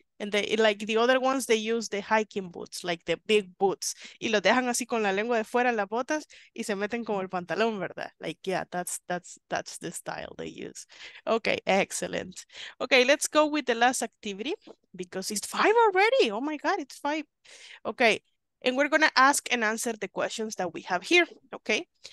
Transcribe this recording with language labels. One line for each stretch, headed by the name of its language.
English: And they, like the other ones, they use the hiking boots, like the big boots.
Spanish: Y lo dejan así con la lengua de fuera las botas y se meten como el pantalón, ¿verdad?
English: Like, yeah, that's the style they use. Okay, excellent. Okay, let's go with the last activity because it's 5 already. Oh my God, it's 5. Okay. And we're going to ask and answer the questions that we have here, okay?